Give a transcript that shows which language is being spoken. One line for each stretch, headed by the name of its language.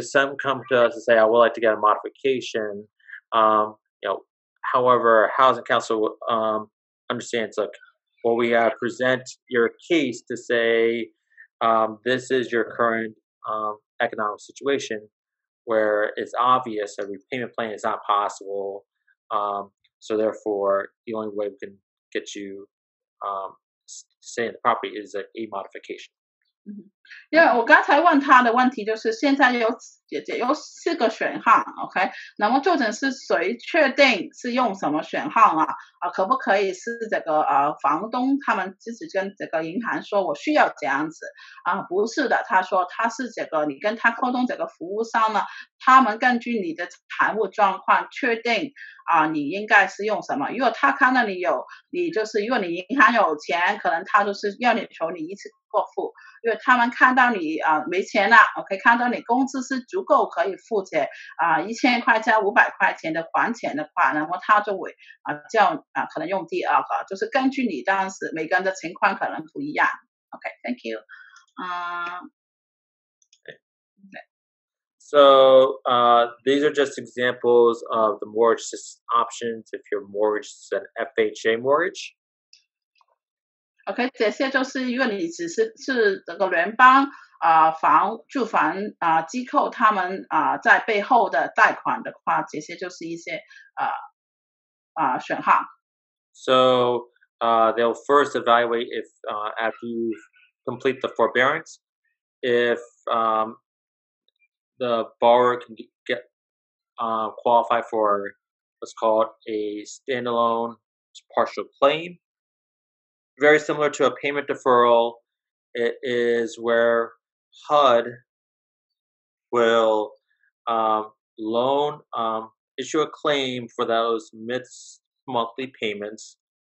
English: Some come to us and say, I would like to get a modification. However, housing council, understands, look, what we have present your case to say, this is your current economic situation where it's obvious a repayment plan is not possible. So therefore, the only way we can get you stay in the property is a modification.
Chinese: 因为我刚才问他的问题就是现在有四个选项 ,OK? 那么究竟是谁确定是用什么选项啊可不可以是这个房东他们自己跟这个银行说我需要这样子不是的他说他是这个你跟他沟通这个服务商呢他们根据你的财务状况确定你应该是用什么如果他看到你就是如果你银行有钱可能他就是要你求你一次过付。因为他们看到你没钱了 ,OK, 看到你工资是足够可以付这1000块加500块钱的还钱的话然后他就会可能用第二个就是根据你当时每个人的情况可能不一样。
English: OK, thank you. So these are just examples of the mortgage options if your mortgage is an FHA mortgage.
Chinese: OK, 这些就是如果你只是这个联邦住房机构他们在背后的贷款的话这些就是一些选项。
English: So, they'll first evaluate if after you complete the forbearance, if the borrower can get qualify for what's called a standalone partial claim,Very similar to a payment deferral, it is where HUD will issue a claim for those missed monthly payments.